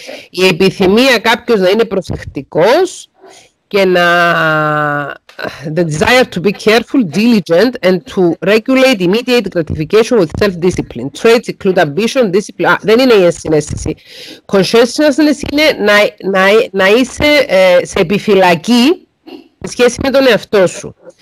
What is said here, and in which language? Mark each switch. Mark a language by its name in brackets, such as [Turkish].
[Greek] Η επιθυμία κάποιος να είναι προσεκτικός και να... [English] The desire to be careful, diligent, and to regulate immediate gratification with self-discipline. Traits include ambition, discipline. [Greek] Δεν είναι η ενσυναίσθηση. Consciousness είναι να είσαι σε επιφυλακή σε σχέση με τον εαυτό σου.